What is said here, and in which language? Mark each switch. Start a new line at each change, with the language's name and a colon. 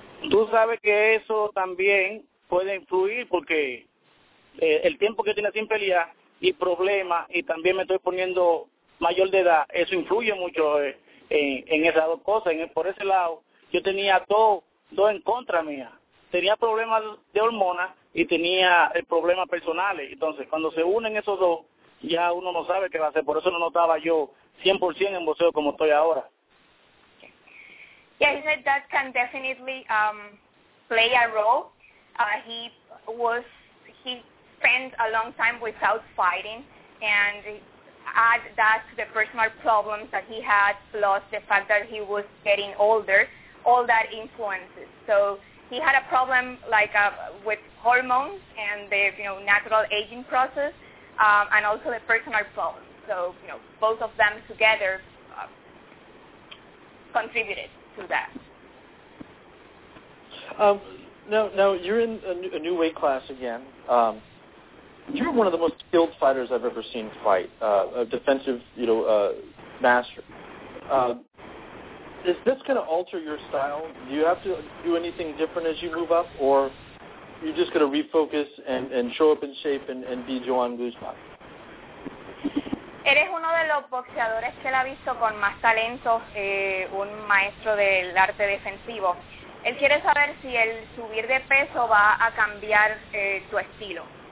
Spanish: Tú sabes que eso también puede influir porque el tiempo que tienes sin pelear y problema, y también me estoy poniendo mayor de edad, eso influye mucho en esas dos cosas. Por ese lado, yo tenía todo en contra mía. Tenía problemas de hormonas y tenía problemas personales. Entonces, cuando se unen esos dos, ya uno no sabe qué va a hacer. Por eso no notaba yo 100% en boxeo como estoy ahora.
English: Yeah, he said that can definitely play a role. He spent a long time without fighting, and add that to the personal problems that he had, plus the fact that he was getting older, all that influences. So he had a problem with hormones and the, you know, natural aging process, and also the personal problems. So, you know, both of them together contributed to that. Now you're in a new weight class again. You're one of the most skilled fighters I've ever seen fight, a defensive, you know, master. Is this going to alter your style? Do you have to do anything different as you move up, or you're just going to refocus and show up in shape and be Joan Guzman?
Spanish: Eres uno de los boxeadores que él ha visto con más talento, un maestro del arte defensivo. Él quiere saber si el subir de peso va a cambiar tu estilo.